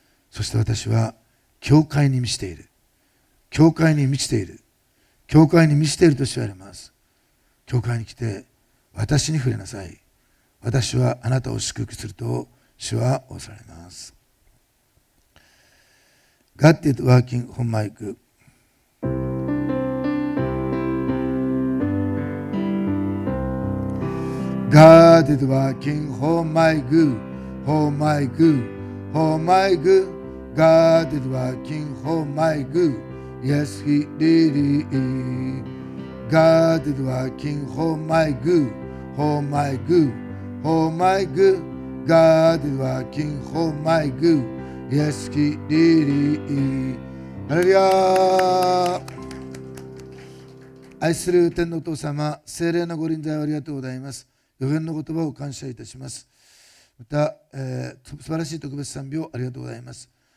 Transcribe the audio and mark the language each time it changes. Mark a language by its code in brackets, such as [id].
[ja] そして私は教会に満ちている、教会に満ちている、教会に満ちていると主は言われます。教会に来て私に触れなさい。私はあなたを祝福すると主は仰せられます。 [en] God is working on my good. God is working on my good, on my good, on my good. God is working on my good. Yes, He really is. God is working on my good, on my good, on my good. God is working on my good. [ja] イエスキリリー、ハレルヤー。愛する天のお父様、聖霊のご臨在をありがとうございます。予言の言葉を感謝いたします。また、素晴らしい特別賛美をありがとうございます。